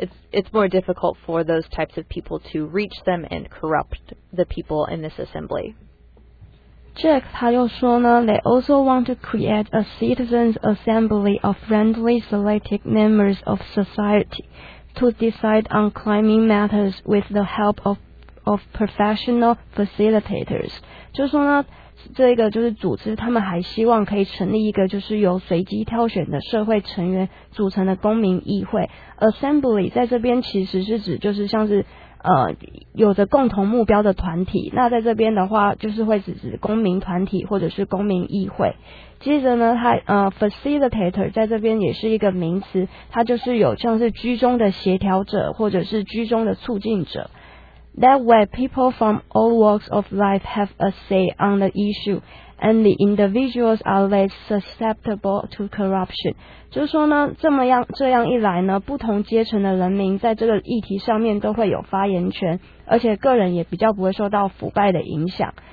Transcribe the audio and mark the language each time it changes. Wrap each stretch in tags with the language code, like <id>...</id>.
<en>It's more difficult for those types of people to reach them and corrupt the people in this assembly. Jack</en> <zh>他又说呢,</zh> <en>they also want to create a citizens' assembly of randomly selected members of society to decide on climate matters with the help of professional facilitators.</en> <zh>就说呢, 这个就是组织, 他们还希望可以成立一个就是由随机挑选的社会成员组成的公民议会。 Assembly 在这边其实是指就是像是 有着共同目标的团体， 那在这边的话， 就是会指公民团体或者是公民议会。接着呢， facilitator 在这边也是一个名词， 它就是有像是居中的协调者 或者是居中的促进者。</zh> <en>That way, people from all walks of life have a say on the issue, and the individuals are less susceptible to corruption.</en> <zh>就是说呢, 这样一来呢, 不同阶层的人民在这个议题上面都会有发言权, 而且个人也比较不会受到腐败的影响。</zh>